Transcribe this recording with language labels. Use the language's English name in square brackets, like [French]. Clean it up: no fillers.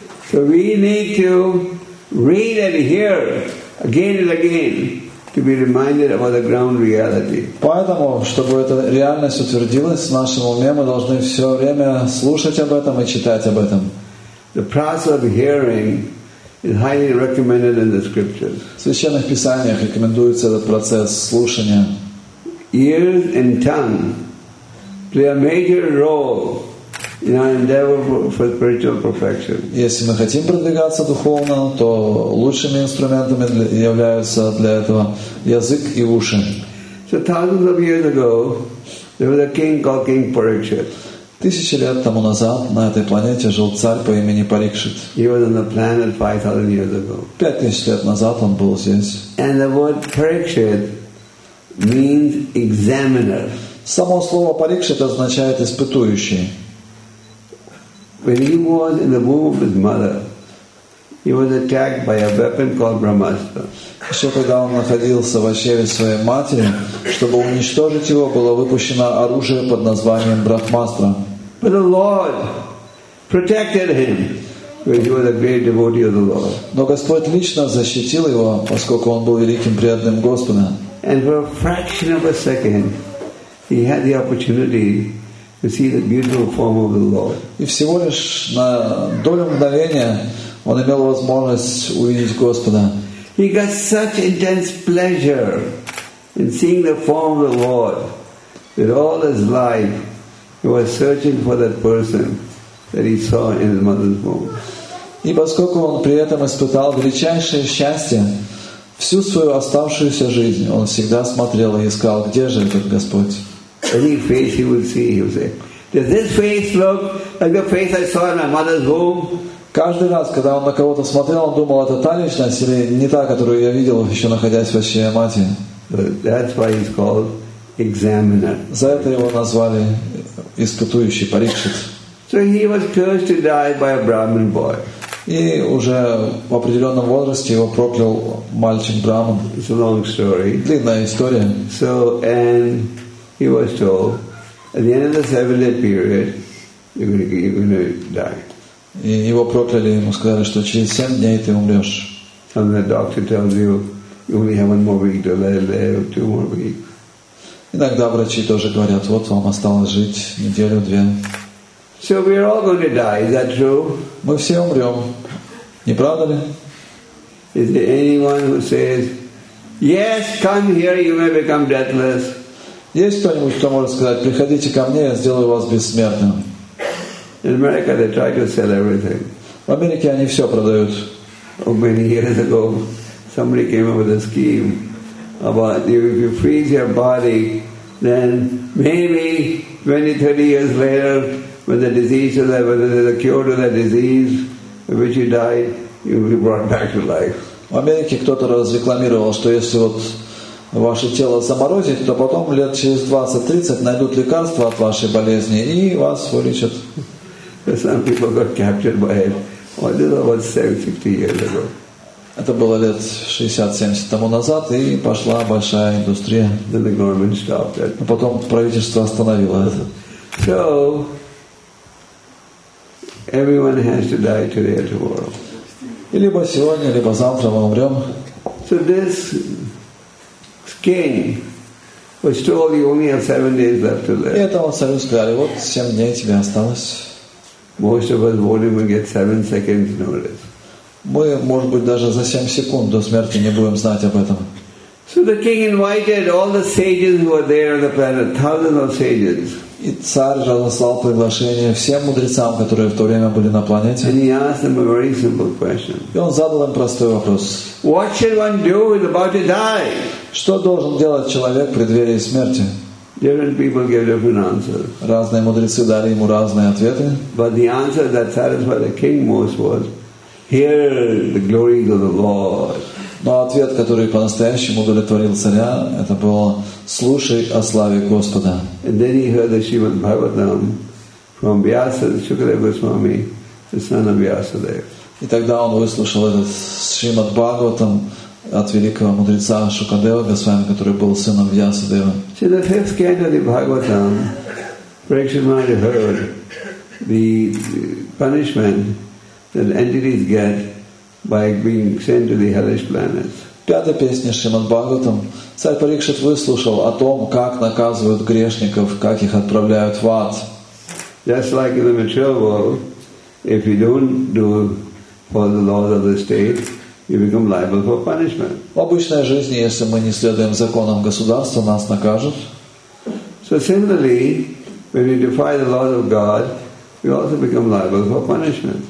[English] So we need to read and hear again and again to be reminded about the ground reality. [Russian] Поэтому, чтобы эта реальность утвердилась в нашем уме, мы должны все время слушать об этом и читать об этом. [English] The process of hearing is highly recommended in the scriptures. [Russian] В священных писаниях рекомендуется этот процесс слушания. [English] Ears and tongue play a major role in our endeavor for spiritual perfection. [Russian] Если мы хотим продвигаться духовно, то лучшими инструментами являются для этого язык и уши. [English] So thousands of years ago, there was a king called King Parikshit. [Russian] Тысячи лет тому назад на этой планете жил царь по имени Парикшит. [English] He was on the planet 5,000 years ago. [Russian] 5,000 лет назад он был здесь. [English] And the word Parikshit means examiner. [Russian] Само слово Парикшит означает испытующий. [English] When he was in the womb of his mother, he was attacked by a weapon called Brahmastra. [Russian] Еще когда он находился в чреве своей матери, чтобы уничтожить его, было выпущено оружие под названием Брахмастра. [English] But the Lord protected him. He was a great devotee of the Lord. [Russian] Но Господь лично защитил его, поскольку он был великим преданным Господа. [English] And for a fraction of a second, he had the opportunity to see the beautiful form of the Lord. [Russian] И всего лишь на долю мгновения он имел возможность увидеть Господа. [English] He got such intense pleasure in seeing the form of the Lord that all his life he was searching for that person that he saw in his mother's womb. [Russian] И поскольку он при этом испытал величайшее счастье, всю свою оставшуюся жизнь он всегда смотрел и искал, где же этот Господь. [English] Any face he would see, he would say, does this face look like the face I saw in my mother's womb? [Russian] Каждый раз, когда он на кого-то смотрел, он думал, это та личность или не та, которую я видел, еще находясь в чреве матери. [English] That's why he's called examiner. [Russian] За это его назвали испытующий, Парикшит. [English] So he was cursed to die by a Brahmin boy. [Russian] И уже в определенном возрасте его проклял мальчик Брахман. [English] It's a long story. [Russian] Длинная история. [English] So, and he was told, at the end of the seven-day period, You're going to die. [Russian] И его прокляли, ему сказали, что через 7 дней ты умрешь. [English] And the doctor tells you, you only have one more week to live, two more weeks. [Russian] Иногда врачи тоже говорят, вот вам осталось жить неделю-две. [English] So we are all going to die, is that true? [Russian] Мы все умрем, не правда ли? [English] Is there anyone who says, yes, come here, you may become deathless? [Russian] Есть кто-нибудь, кто может сказать, приходите ко мне, я сделаю вас бессмертным? [English] In America, they try to sell everything. [Russian] В Америке они все продают. [English] Oh, many years ago, somebody came up with a scheme about if you freeze your body, then maybe 20, 30 years later, when the disease is there, when there's a cure to that disease in which you died, you'll be brought back to life. [Russian] В Америке кто-то разрекламировал, что если вот ваше тело заморозить, то потом лет через 20-30 найдут лекарства от вашей болезни и вас вылечат. [English] Some people got captured by it. Well, this was 70 years ago. [Russian] Это было лет 60-70 тому назад, и пошла большая индустрия. [English] Then the government stopped it. [Russian] Но потом правительство остановило это. [English] So, everyone has to die today or tomorrow. [Russian] И либо сегодня, либо завтра мы умрем. [English] So this skin, which told you only have 7 days left to live. [Russian] И это вам сразу сказали, вот 7 дней тебе осталось. [English] Most of us won't even get 7 seconds notice. [Russian] Мы, может быть, даже за 7 секунд до смерти не будем знать об этом. [English] So the king invited all the sages who were there on the planet, thousands of sages. [Russian] И царь разослал приглашение всем мудрецам, которые в то время были на планете. [English] And he asked them a very simple question. [Russian] И он задал им простой вопрос. [English] What should one do when about to die? [Russian] Что должен делать человек в преддверии смерти? [English] Different people give different answers. [Russian] Разные мудрецы дали ему разные ответы. [English] But the answer that satisfied the king most was, "Hear the glories of the Lord." [Russian] Но ответ, который по-настоящему удовлетворил царя, это было: "Слушай о славе Господа." [English] And then he heard the Shrimad Bhagavatam from Vyasa, Shukadeva Goswami, the son of Vyasadeva. [Russian] И тогда он выслушал этот Шримад Бхагаватам от великого мудреца Шукадева Госвами, который был сыном Вьясадева. [English] See, the fifth canto of the Bhagavatam, Parikshit heard the punishment that entities get by being sent to the hellish planets. [Russian] Пятая песня Шримад Бхагаватам, царь Парикшит выслушал о том, как наказывают грешников, как их отправляют в ад. [English] Just like in the material world, if you don't do for the laws of the state, you become liable for punishment. [Russian] В обычной жизни, если мы не следуем законам государства, нас накажут. [English] So similarly, when we defy the laws of God, we also become liable for punishment.